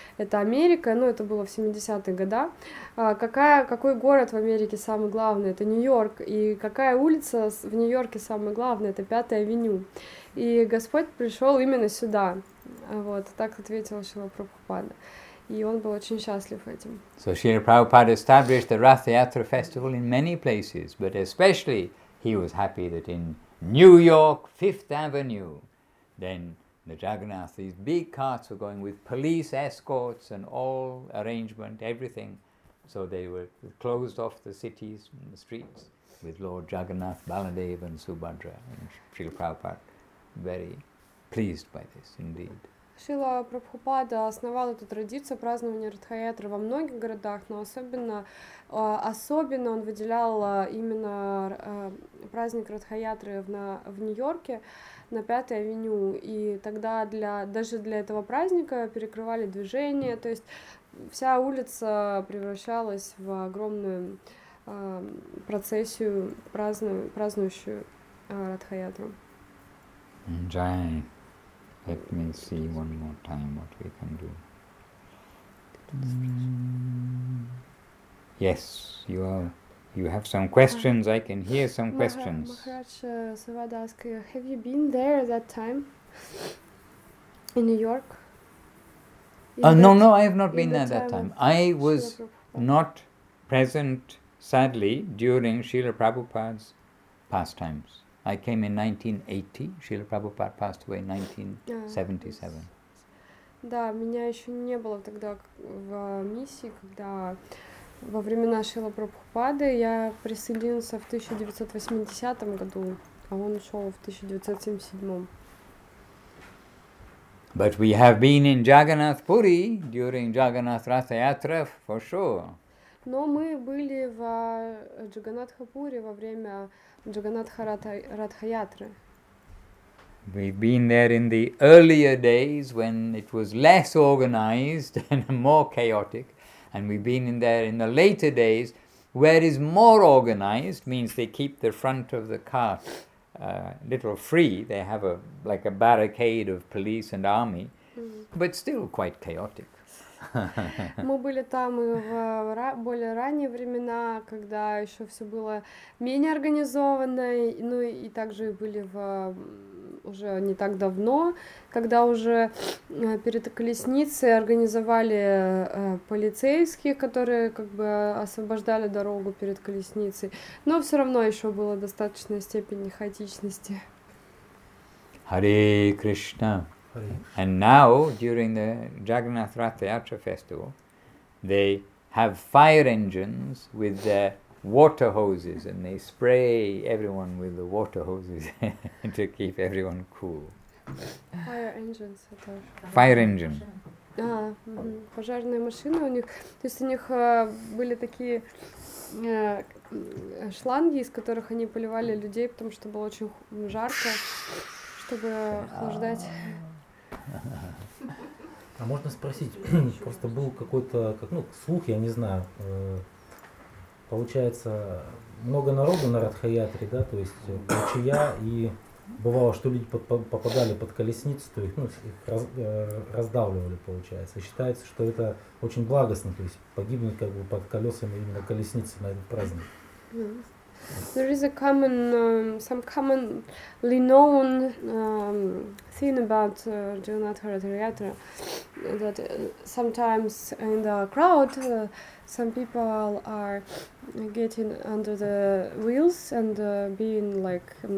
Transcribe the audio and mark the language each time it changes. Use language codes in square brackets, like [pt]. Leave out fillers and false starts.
[ru] Это Америка, это было в 70-е годы. Какой город в Америке самый главный? Это Нью-Йорк. И какая улица в Нью-Йорке самая главная? Это Пятая Авеню. И Господь пришел именно сюда. Вот, так ответил Шрила Прабхупада. И он был очень счастлив этим. [en] So Srila Prabhupada established the Rath Yatra festival in many places, but especially he was happy that in New York, Fifth Avenue. Then the Jagannath, these big carts were going with police escorts and all arrangement, everything. So they were closed off the cities and the streets with Lord Jagannath, Baladev and Subhadra. And Srila Prabhupada, very pleased by this indeed. [ru] Шрила Прабхупада основал эту традицию празднования Радха-ятры во многих городах, но особенно он выделял именно праздник Радха-ятры в Нью-Йорке на Пятой Авеню. И тогда даже для этого праздника перекрывали движение, то есть вся улица превращалась в огромную процессию, празднующую Радха-ятру. Джай. [en] Let me see one more time what we can do. Yes, you have some questions. I can hear some questions. Maharaj Savada asked, have you been there at that time? In New York? No, I have not been there at that time. I was not present, sadly, during Srila Prabhupada's pastimes. I came in 1980. Srila Prabhupada passed away in 1977. [ru] Да, меня еще не было тогда в миссии, когда во времена Шрилы Прабхупады я присоединился в 1980 году, а он ушел в 1977. [en] But we have been in Jagannath Puri during Jagannath Ratha Yatra for sure. [ru] Но мы были в Джаганнатхапуре во время Джаганнатха Радха-ятры. [en] We've been there in the earlier days when it was less organized and more chaotic, and we've been in there in the later days where it is more organized, means they keep the front of the cart little free, they have a barricade of police and army, but still quite chaotic. [ru] Мы были там и в более ранние времена, когда еще все было менее организовано, ну и также были в уже не так давно, когда уже перед колесницей организовали полицейских, которые как бы освобождали дорогу перед колесницей, но все равно еще было достаточной степени хаотичности. [en] Hare Krishna. And now, during the Jagannath Rath Yatra festival, they have fire engines with their water hoses, and they spray everyone with the water hoses to keep everyone cool. Fire engines. Fire engine. [ru] А, пожарные машины у них. То есть у них были такие шланги, из которых они поливали людей, потому что было очень жарко, чтобы охлаждать. А можно спросить, просто был какой-то, ну, слух, я не знаю, получается, много народу на Радхаятре, да, то есть ручья, и бывало, что люди попадали под колесницу, то есть, ну, их раздавливали, получается. Считается, что это очень благостно, то есть погибнуть как бы под колесами именно колесницы на этот праздник. [en] There is a common, some commonly known thing about Jagannath Rath Yatra, that sometimes in the crowd, some people are getting under the wheels and being like,